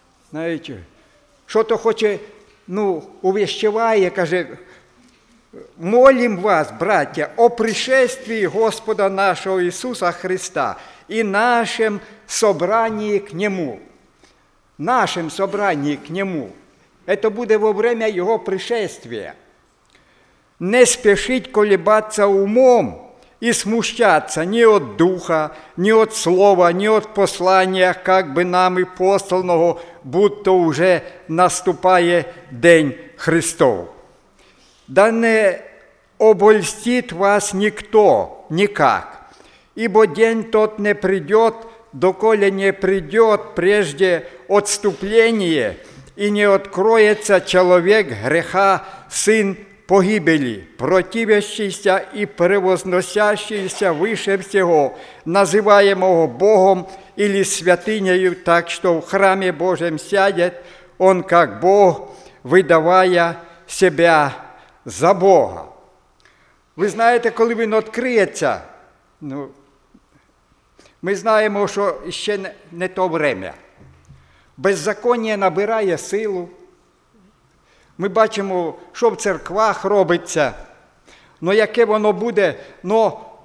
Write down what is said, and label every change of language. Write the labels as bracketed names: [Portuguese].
[Ukrainian] Знаєте, що то хоче, ну, увіщеває, каже, молім вас, браття, о пришестві Господа нашого Ісуса Христа і нашим собранні к Нему. Нашим собранні к Нему. [Russian] Это буде во время Його пришествия. Не спешить колебаться умом і смущаться ні от Духа, ні от Слова, ні от послання, как би нами посланого, будто уже наступає День Христов. Да не обольстит вас никто, никак, ибо день тот не придет, доколе не придет прежде отступление и не откроется человек греха, сын погибели, противящийся и превозносящийся выше всего, называемого Богом или святынею, так что в храме Божьем сядет он как Бог, выдавая себя за Бога. [Ukrainian] Ви знаєте, коли він відкриється? Ну, ми знаємо, що ще не то время. Беззаконня набирає силу. Ми бачимо, що в церквах робиться. Но яке воно буде? Но